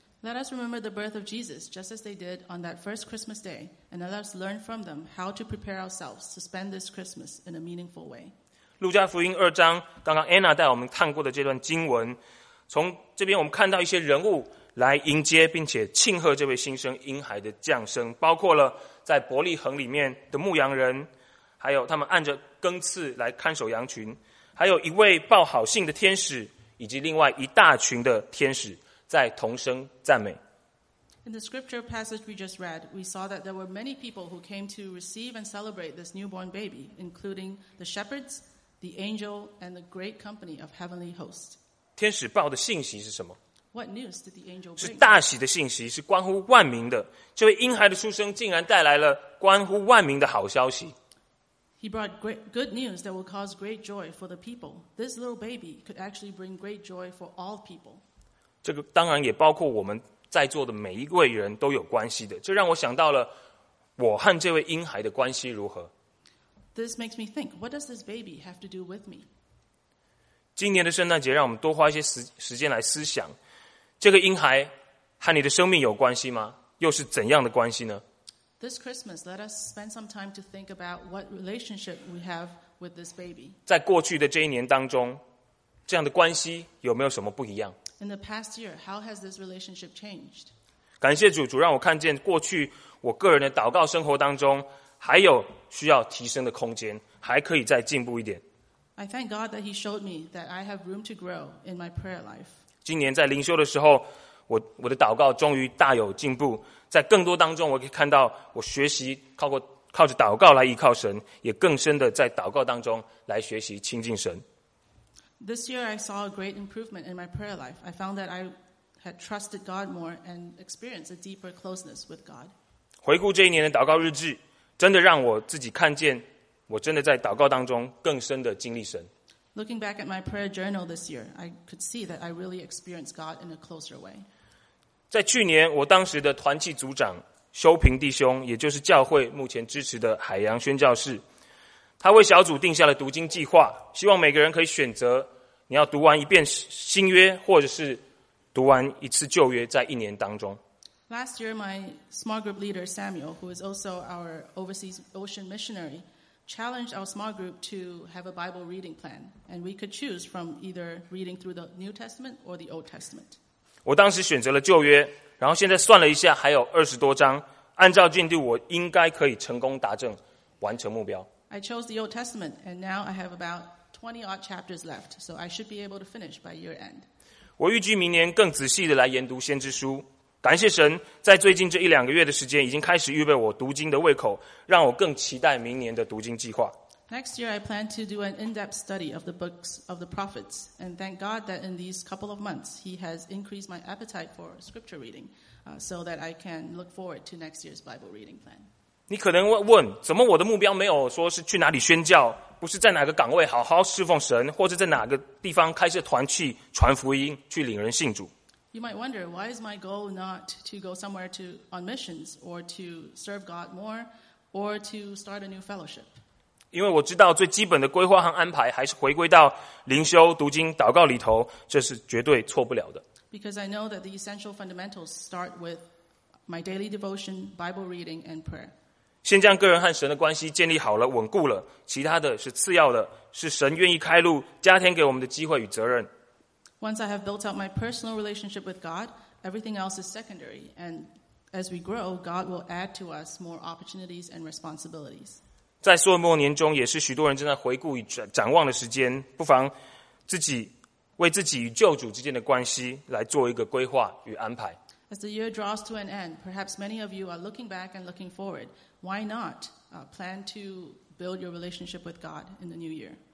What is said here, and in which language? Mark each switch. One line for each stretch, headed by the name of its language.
English: Let us remember the birth of Jesus just as they did on that first Christmas day, and let us learn from them how to prepare ourselves to spend this Christmas in a meaningful way.
Chinese: 路加福音二章，刚刚 Anna 带我们看过的这段经文，从这边我们看到一些人物来迎接并且庆贺这位新生婴孩的降生，包括了在伯利恒里面的牧羊人，还有他们按着更次来看守羊群，还有一位报好信的天使，以及另外一大群的天使。在同声赞美。
English: In the scripture passage we just read, we saw that there were many people who came to receive and celebrate this newborn baby, including the shepherds, the angel, and the great company of heavenly hosts.
Chinese: 天使报的信息是什么？
English: What news did the angel bring?
Chinese: 是大喜的信息，是关乎万民的。这位婴孩的出生竟然带来了关乎万民的好消息。
English: He brought great good news that will cause great joy for the people. This little baby could actually bring great joy for all people.
Chinese: 这个当然也包括我们在座的每一位人都有关系的。这让我想到了我和这位婴孩的关系如何。
English: This makes me think, what does this baby have to do with me?
Chinese: 今年的圣诞节让我们多花一些时间来思想，这个婴孩和你的生命有关系吗？又是怎样的关系呢？
English: This Christmas, let us spend some time to think about what relationship we have with this baby.
Chinese: 在过去的这一年当中，这样的关系有没有什么不一样？
English: In the past year, how has this relationship changed?
Chinese: 感谢主，主让我看见过去我个人的祷告生活当中还有需要提升的空间，还可以再进步一点。
English: I thank God that He showed me that I have room to grow in my prayer life.
Chinese: 今年在灵修的时候，我的祷告终于大有进步。在更多当中，我可以看到我学习靠着祷告来依靠神，也更深的在祷告当中来学习亲近神。
English: This year I saw a great improvement in my prayer life. I found that I had trusted God more and experienced a deeper closeness with God.
Chinese: 回顾这一年的祷告日志，真的让我自己看见，我真的在祷告当中更深的经历神。
English: Looking back at my prayer journal this year, I could see that I really experienced God in a closer way.
Chinese: 在去年，我当时的团契组长修平弟兄，也就是教会目前支持的海洋宣教士，他为小组定下了读经计划，希望每个人可以选择你要读完一遍新约或者是读完一次旧约在一年当中。
English: Last year, my small group leader Samuel, who is also our overseas ocean missionary, challenged our small group to have a Bible reading plan, and we could choose from either reading through the New Testament or the Old Testament.
Chinese: 我当时选择了旧约，然后现在算了一下还有二十多章，按照进度我应该可以成功达成完成目标。
English: I chose the Old Testament, and now I have about 20-odd chapters left, so I should be able to finish by year-end.
Chinese: 我预计明年更仔细地来研读先知书。感谢神，在最近这一两个月的时间已经开始预备我读经的胃口，让我更期待明年的读经计划。
English: Next year, I plan to do an in-depth study of the books of the prophets, and thank God that in these couple of months, He has increased my appetite for scripture reading, so that I can look forward to next year's Bible reading plan.
Chinese: 你可能会问，怎么我的目标没有说是去哪里宣教，不是在哪个岗位好好侍奉神，或者在哪个地方开设团去传福音，去领人信主。
English: You might wonder, why is my goal not to go somewhere to on missions or to serve God more or to start a new fellowship.
Chinese: 因为我知道最基本的规划和安排还是回归到灵修、读经、祷告里头，这是绝对错不了的。
English: Because I know that the essential fundamentals start with my daily devotion, Bible reading, and prayer.
Chinese: 先将个人和神的关系建立好了、稳固了，其他的是次要的，是神愿意开路、加添给我们的机会与责任。
English: Once I have built up my personal relationship with God, everything else is secondary, and as we grow, God will add to us more opportunities and responsibilities.
Chinese: 在岁末年中，也是许多人正在回顾与展望的时间，不妨自己为自己与救主之间的关系来做一个规划与安排。
English: As the year draws to an end, perhaps many of you are looking back and looking forward. Why not plan to build your relationship with God in the new year?